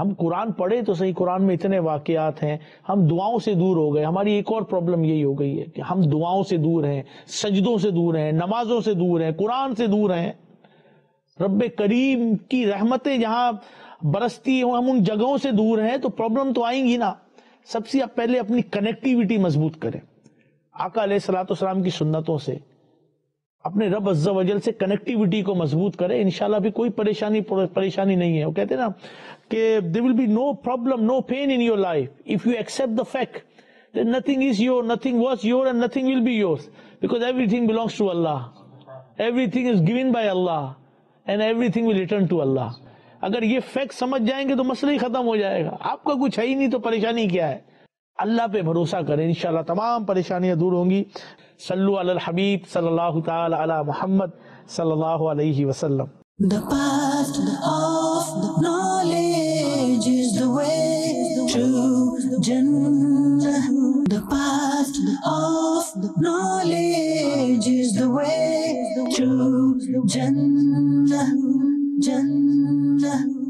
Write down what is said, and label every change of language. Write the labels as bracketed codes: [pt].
[ur] ہم قرآن پڑھے تو صحیح, قرآن میں اتنے واقعات ہیں, ہم دعاؤں سے دور ہو گئے. ہماری ایک اور پرابلم یہی ہو گئی ہے کہ ہم دعاؤں سے دور ہیں, سجدوں سے دور ہیں, نمازوں سے دور ہیں, قرآن سے دور ہیں. رب کریم کی رحمتیں جہاں برستی ہوں ہم ان جگہوں سے دور ہیں تو پرابلم تو آئیں گی نا. سب سے پہلے اپنی کنیکٹیویٹی مضبوط کریں آقا علیہ الصلوۃ والسلام کی سنتوں سے, اپنے رب عز و جل سے کنیکٹیویٹی کو مضبوط کریں, انشاءاللہ بھی کوئی پریشانی نہیں ہے. وہ کہتے ہیں نا کہ [en] there will be no problem, no pain in your life if you accept the fact that nothing is your, nothing was your and nothing will be yours because everything belongs to Allah, everything is given by Allah and everything will return to Allah. [ur] اگر یہ fact سمجھ جائیں گے تو مسئلہ ہی ختم ہو جائے گا. آپ کا کچھ ہے ہی نہیں تو پریشانی کیا ہے. اللہ پہ بھروسہ کریں, انشاءاللہ تمام پریشانیاں دور ہوں گی. صلو علی الحبیب صلی اللہ تعالی علی محمد صلی اللہ علیہ وسلم. [en] The path of the knowledge is the way to Jannah. The path of the knowledge is the way to Jannah. Jannah.